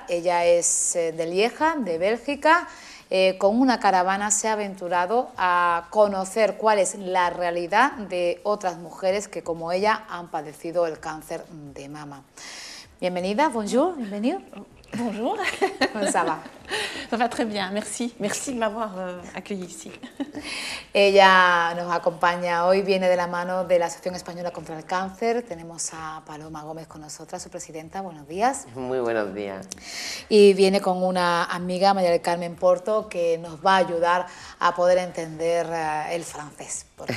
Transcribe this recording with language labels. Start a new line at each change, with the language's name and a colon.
Spanish: Ella es de Lieja, de Bélgica. Con una caravana se ha aventurado a conocer cuál es la realidad de otras mujeres que, como ella, han padecido el cáncer de mama. Bienvenida,
French: bonjour,
Spanish: bienvenido.
French: Bonjour.
Spanish: ¿Cómo está? Va?
French: Ça va très bien, merci. Merci de m'avoir accueilli ici.
Spanish: Ella nos acompaña hoy, viene de la mano de la Asociación Española contra el Cáncer. Tenemos a Paloma Gómez con nosotras, su presidenta. Buenos días. Muy buenos días. Y viene con una amiga, María del Carmen Porto, que nos va a ayudar a poder entender el francés.